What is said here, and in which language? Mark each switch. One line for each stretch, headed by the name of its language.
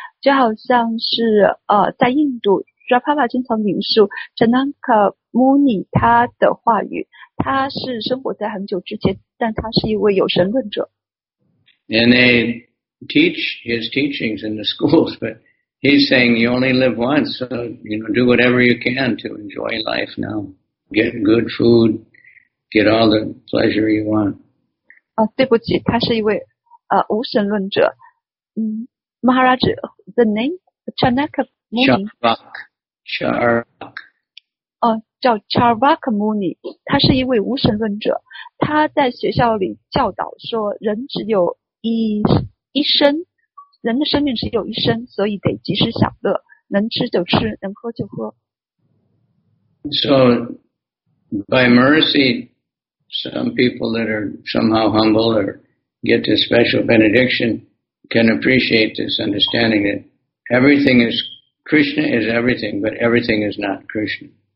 Chinese: 就好像是在印度 ，Prabhupada 经常引述 Charak Muni 他的话语。他是生活在很久之前，但他是一位有神论者。
English: And they teach his teachings in the schools, but He's saying you only live once, so you know, do whatever you can to enjoy life now. Get good food, get all the pleasure you want.
Chinese: 对不起，他是一位无神论者。
English: Maharaj, the name Charvaka Muni. Charvak.
Chinese: 叫 Charvaka Muni. 他是一位无神论者。他在学校里教导说，人只有一生。人的生命只有一生，所以得及时享乐，能吃就吃，能喝就喝。
English: So, by mercy, some people that are somehow humble or get this special benediction can appreciate this understanding that everything is, Krishna is everything, but everything is not Krishna.